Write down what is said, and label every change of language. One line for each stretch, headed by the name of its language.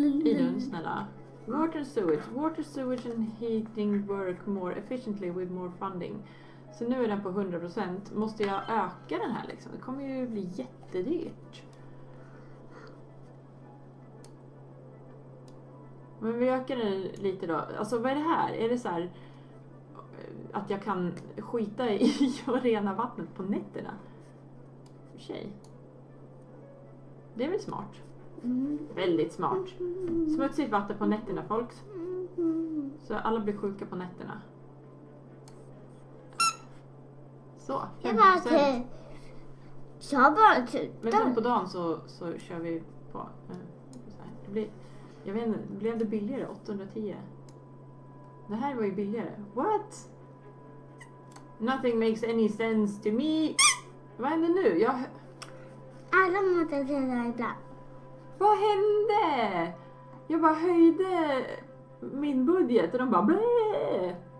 English: Idun, snälla. Water and sewage. Water, sewage and heating work more efficiently with more funding.
Swedish: Så nu är den på 100%. Måste jag öka den här liksom? Det kommer ju bli jättedyrt. Men vi ökar den lite då. Alltså vad är det här? Är det så här att jag kan skita i och rena vattnet på nätterna? Tjej. Det är väl smart. Väldigt smart. Smutsigt vatten på nätterna, folks. Så alla blir sjuka på nätterna. Så. Jag bara till. Jag bara till. Men sen på dagen så kör vi på. Så här. Det blir, jag vet inte, blev det billigare? 810. Det här var ju billigare.
English: What? Nothing makes any sense to me.
Swedish: Vad händer nu? Jag... Alla måste träda ibland. Vad hände? Jag bara höjde min budget och de bara blä.